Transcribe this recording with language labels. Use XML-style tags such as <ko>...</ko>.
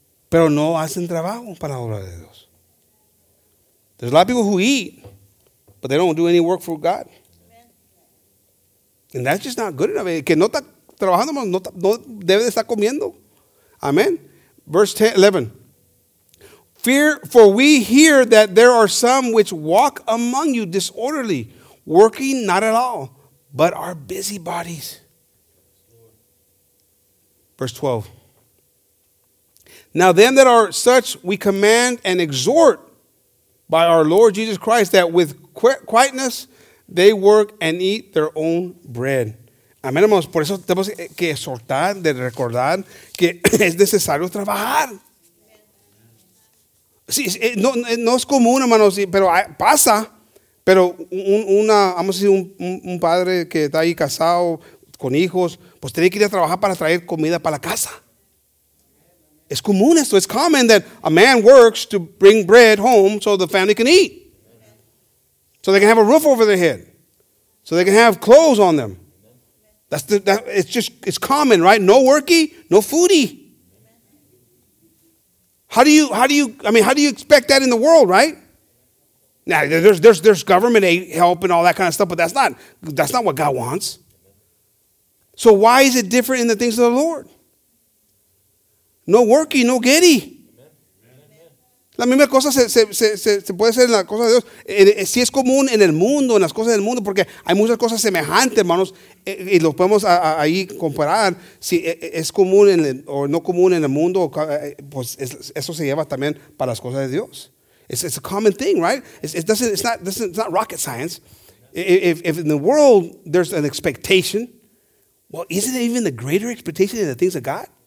<es>Pero no hacen trabajo para la obra de Dios.</es> <en>There's a lot of people who eat, but they don't do any work for God. Amen. And that's just not good enough.</en> <es>El que no está trabajando, hermanos, no debe de estar comiendo.</es> <en>Amen. Verse 11. Fear, for we hear that there are some which walk among you disorderly, working not at all, but are busybodies. Verse 12. Now them that are such we command and exhort by our Lord Jesus Christ that with quietness they work and eat their own bread.</en> <es>Amén, hermanos. Por eso tenemos que exhortar, de recordar que es necesario trabajar. Sí, no es común, hermanos, pero pasa. Pero un padre que está ahí casado con hijos, pues tiene que ir a trabajar para traer comida para la casa. Es común esto.</es> <en>It's common that a man works to bring bread home so the family can eat. So they can have a roof over their head. So they can have clothes on them. It's common, right? No worky, no foodie. How do you expect that in the world, right? Now, there's government aid help and all that kind of stuff, but that's not what God wants. So why is it different in the things of the Lord? No worky, no getty.</en> <es>La misma cosa se puede hacer en las cosas de Dios. Si es común en el mundo, en las cosas del mundo, porque hay muchas cosas semejantes, hermanos, y los podemos ahí comparar. Si es común o no común en el mundo, pues eso se lleva también para las cosas de Dios.</es> <en>It's a common thing, right? It's not rocket science. If in the world there's an expectation, well, isn't it even a greater expectation than the things of God?</en>